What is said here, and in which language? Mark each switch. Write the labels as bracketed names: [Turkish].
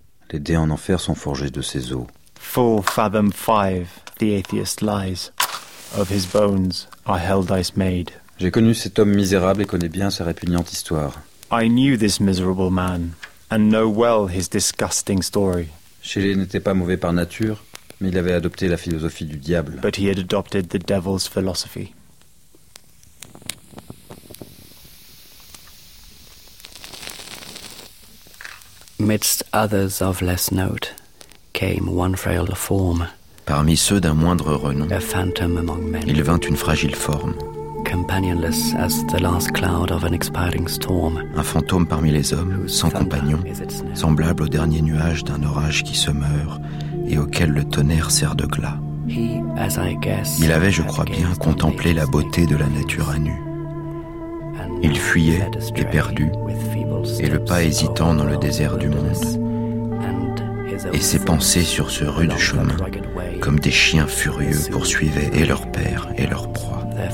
[French] Les dés en enfer sont forgés de ses os. [English] 4 fathom 5, the atheist lies. Of his bones are hell dice made. [French] J'ai connu cet homme misérable et connais bien sa répugnante histoire. [English] I knew this miserable man and know well his disgusting story. [French] Shelley n'était pas mauvais par nature, mais il avait adopté la philosophie du diable. [English] But he had adopted the devil's philosophy. Midst others of less note came one frail form. [French] Parmi ceux d'un moindre renom, [English] a phantom among men, [French] il vint une fragile forme. [English] Companionless as the last cloud of an expiring storm. [French] Un fantôme parmi les hommes, sans compagnon, semblable au dernier nuage d'un orage qui se meurt et auquel le tonnerre sert de glas. [English] He, as I guess, [French] il avait, je crois bien, contemplé la beauté de la nature à nu. Il fuyait, éperdu, et le pas hésitant dans le désert du monde, et ses pensées sur ce rude chemin, comme des chiens furieux poursuivaient et leur père et leur proie.